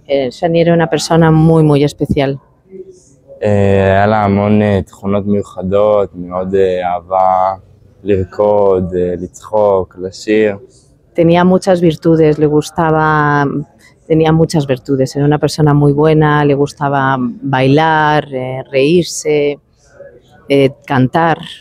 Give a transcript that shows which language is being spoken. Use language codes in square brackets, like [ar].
[es] Shani era una persona muy muy especial. [he] היה לה המון תכונות מיוחדות, מאוד אהבה לרקוד, לצחוק, לשיר. [es] Tenía muchas virtudes, le gustaba. Tenía muchas virtudes, era una persona muy buena, le gustaba bailar, reírse, cantar.